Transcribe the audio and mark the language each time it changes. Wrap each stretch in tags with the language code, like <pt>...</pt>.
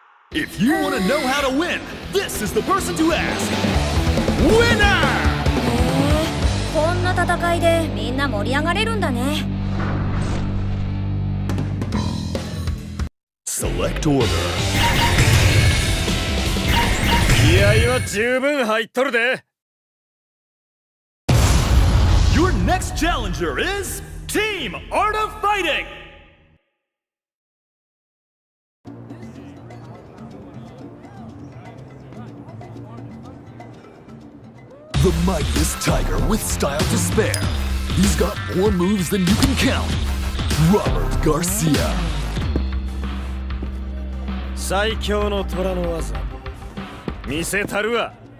<en>If you want to know how to win, this is the person to ask. Winner!</en> <ja>こんな戦いでみんな盛り上がれるんだね。</ja> <en>Select order.</en> <ja>気合は十分入っとるで。</ja> <en>Your next challenger is Team Art of Fighting! The mightiest tiger with style to spare. He's got more moves than you can count. Robert Garcia.</en> <ja>最強の虎の技見せたるわ。</ja>